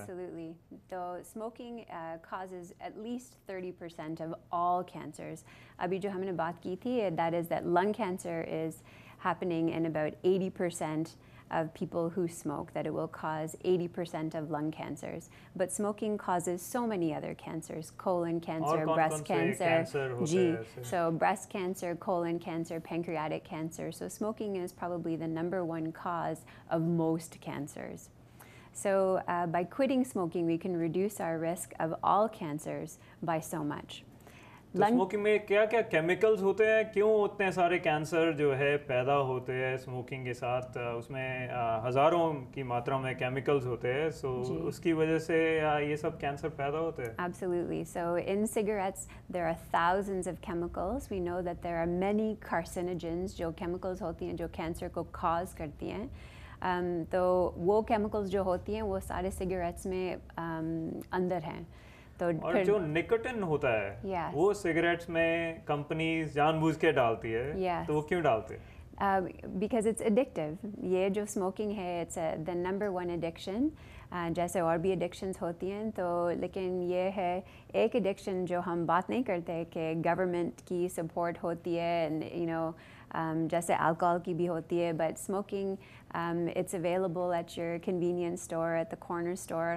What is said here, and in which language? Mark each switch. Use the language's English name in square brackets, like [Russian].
[English] Absolutely, तो smoking causes at least 30% of all cancers. [Hindi] अभी जो हमने बात की थी, [English] That is that lung cancer is happening in about 80% of people who smoke, that it will cause 80% of lung cancers. But smoking causes so many other cancers, colon cancer, breast cancer, so breast cancer, colon cancer, pancreatic cancer. So smoking is probably the number one cause of most cancers. So by quitting smoking, we can reduce our risk of all cancers by so much. [Hindi] Smoking में क्या क्या chemicals होते हैं, क्यों उतने सारे cancer जो है पैदा होते हैं स्मोकिंग के साथ, उसमें हजारों की मात्रा में केमिकल्स होते हैं, सो उसकी वजह से ये सब कैंसर पैदा होते हैं? [English] Absolutely, so in cigarettes there are thousands of chemicals. We know that there are many carcinogens, [Hindi] जो केमिकल्स होती हैं जो कैंसर को कॉज करती हैं. तो वो केमिकल्स जो होती हैं वो सारे सिगरेट्स में अंदर हैं. तो और जो निकोटिन होता है, वो सिगरेट्स में कंपनीज जानबूझ के डालती है, तो वो क्यों डालते हैं? [English] Because it's addictive. [Hindi] ये जो स्मोकिंग है, [English] it's the number one addiction. [Hindi] जैसे और भी addictions होती हैं, तो लेकिन ये है एक addiction जो हम बात नहीं करते कि government की support होती है, [English] and you know, [Hindi] जैसे alcohol की भी होती है, [English] but smoking, it's available at your convenience store, at the corner store.